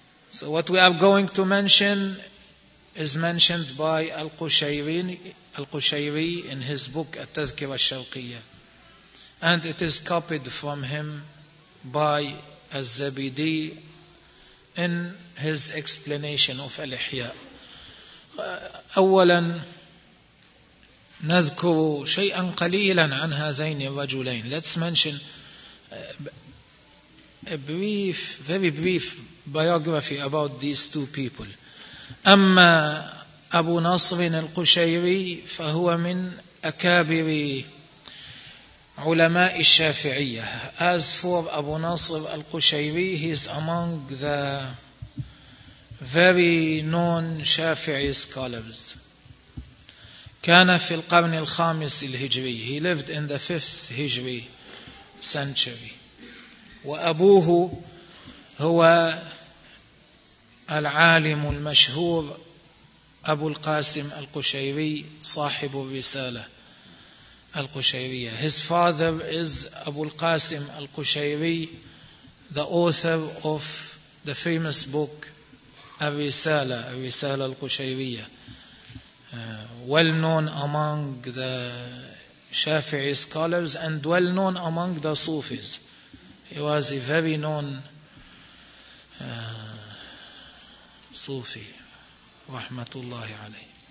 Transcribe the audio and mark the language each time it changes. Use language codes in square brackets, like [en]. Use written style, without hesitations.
[en] So what we are going to mention is mentioned by al-Qushayri in his book التذكرة الشرقية, and it is copied from him by Az-Zabidi in his explanation of Al-Ihya. [ar] أولا نذكر شيئا قليلا عن هذين الرجلين. [en] Let's mention a very brief biography about these two people. [ar] أما أبو نصر القشيري فهو من أكابر علماء الشافعية. [en] As for Abu Nasr al-Qushayri, he is among the very known Shafi'i scholars. [ar] كان في القرن الخامس الهجري. [en] He lived in the 5th Hijri century. [ar] وأبوه هو العالم المشهور أبو القاسم القشيري صاحب الرسالة القشيرية. [en] His father is Abu al-Qasim al-Qushayri, the author of the famous book Ar-Risala, Ar-Risala al-Qushayriya, well known among the Shafi'i scholars and well known among the Sufis. He was a very known Sufi, rahmatullahi alayhi.